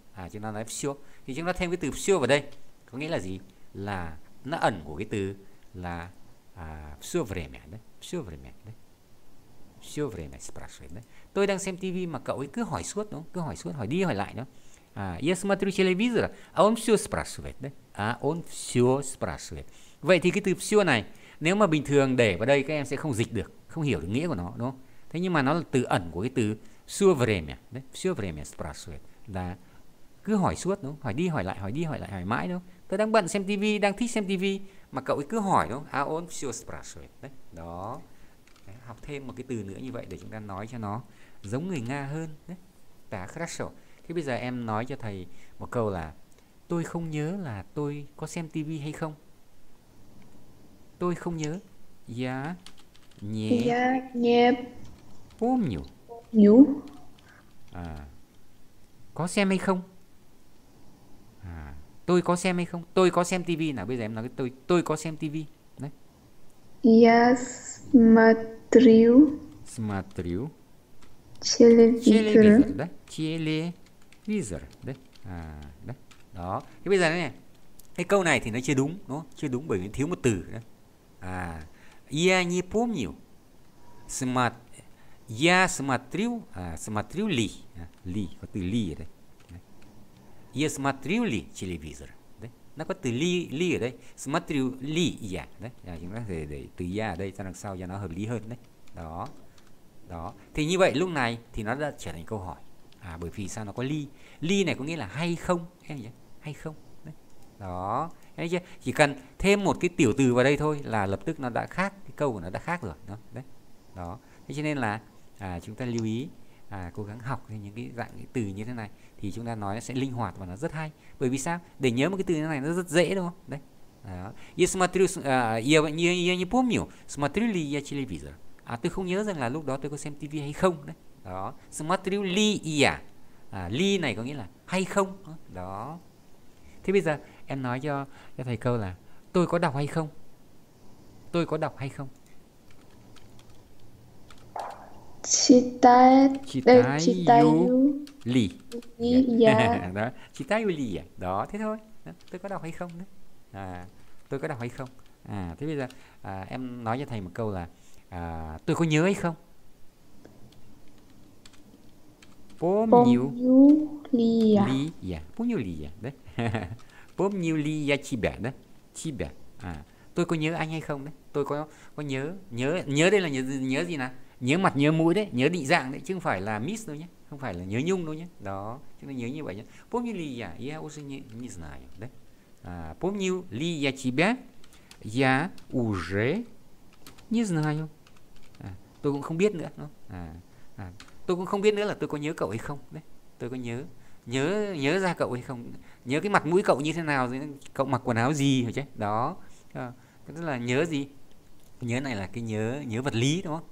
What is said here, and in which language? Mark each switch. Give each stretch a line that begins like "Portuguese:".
Vietnamese: А chúng ta nói все. Thì chúng ta thêm cái từ все vào đây. Có nghĩa là gì? Là nó ẩn của cái từ là
Russian: все время, да? Все время, да? Все время спрашивает, да?
Vietnamese: Tôi đang xem TV mà cậu ấy cứ hỏi suốt, đúng không? Cứ hỏi suốt, hỏi đi hỏi lại, đúng không?
Russian: Я смотрю телевизор, а он все спрашивает, да? А он все спрашивает.
Vietnamese: Vậy thì cái từ все này, nếu mà bình thường để vào đây các em sẽ không dịch được, không hiểu được nghĩa của nó, đúng không? Thế nhưng mà nó là từ ẩn của cái từ
Russian: все время,
Vietnamese: đấy,
Russian: все время спрашивает,
Vietnamese: là cứ hỏi suốt, đúng không? Hỏi đi hỏi lại, hỏi đi hỏi lại, hỏi mãi, đúng không? Tôi đang bận xem tivi, đang thích xem tivi mà cậu ấy cứ hỏi, đúng không?
Russian: А он все спрашивает,
Vietnamese: đấy, đó. Đấy, học thêm một cái từ nữa như vậy để chúng ta nói cho nó giống người Nga hơn, đấy.
Russian: Tá хорошо.
Vietnamese: Thế bây giờ em nói cho thầy một câu là tôi không nhớ là tôi có xem tivi hay không. Tôi không nhớ.
Russian: Я не помню.
Vietnamese: Nhớ. À, có xem hay không? À, tôi có xem hay không? Tôi có xem tivi nào. Bây giờ em nói tôi có xem tivi. Đấy.
Russian: Я смотрю. Смотрю. Телевизор.
Vietnamese: Đấy. Телевизор. Đấy. À, đấy. Đó. Thế bây giờ này, cái câu này thì nó chưa đúng, đúng không? Chưa đúng bởi vì thiếu một từ.
Russian: Đấy. À, я не помню. Я смотрю, смотрю ли, ли,
Vietnamese: có từ
Russian: ли
Vietnamese: ở đây.
Russian: Я смотрю ли телевизор, đấy.
Vietnamese: Nó có từ ли, ли ở đây.
Russian: Смотрю ли я, đấy.
Vietnamese: À, chúng ta để từ я ở đây, ta đằng sau cho nó hợp lý hơn, đấy. Đó, đó. Thì như vậy lúc này thì nó đã trở thành câu hỏi. À, bởi vì sao nó có ли? Ли này có nghĩa là hay không, em nhỉ? Hay không, đấy. Đó. Chỉ cần thêm một cái tiểu từ vào đây thôi là lập tức nó đã khác, cái câu của nó đã khác rồi đó, đấy đó. Thế cho nên là chúng ta lưu ý, cố gắng học những cái dạng cái từ như thế này thì chúng ta nói nó sẽ linh hoạt và nó rất hay. Bởi vì sao? Để nhớ một cái từ như thế này nó rất dễ, đúng không? Đấy.
Russian: Я смотрю, я не помню, смотрю ли я телевизор.
Vietnamese: À, tôi không nhớ rằng là lúc đó tôi có xem TV hay không, đấy.
Russian: Đó. Смотрю ли я.
Vietnamese: Ли này có nghĩa là hay không. Đó. Thế bây giờ em nói cho thầy câu là tôi có đọc hay không? Tôi có đọc hay không?
Russian: Читаю ли. Yeah.
Vietnamese: Đó,
Russian: читаю ли.
Vietnamese: Đó, thế thôi. Đó. Tôi có đọc hay không? Đấy. À, tôi có đọc hay không? À, thế bây giờ em nói cho thầy một câu là tôi có nhớ hay không?
Russian: Помню ли я. Ли я. Помню ли я. Đấy. Помню ли я тебя, да? Тебя.
Vietnamese: À, tôi có nhớ anh hay không đấy? Tôi có nhớ, nhớ nhớ đây là nhớ nhớ gì nào? Nhớ mặt, nhớ mũi đấy, nhớ định dạng đấy chứ không phải là miss đâu nhé, không phải là nhớ nhung đâu nhé. Đó, chúng ta nhớ như vậy nhé.
Russian: Помню ли я, я уже не знаю, đấy. À, помню ли я тебя, я уже не знаю.
Vietnamese: À, tôi cũng không biết nữa, đúng không? À, à, tôi cũng không biết nữa là tôi có nhớ cậu hay không đấy. Tôi có nhớ. Nhớ nhớ ra cậu hay không, nhớ cái mặt mũi cậu như thế nào, cậu mặc quần áo gì rồi chứ. Đó, tức là nhớ gì, nhớ này là cái nhớ nhớ vật lý, đúng không?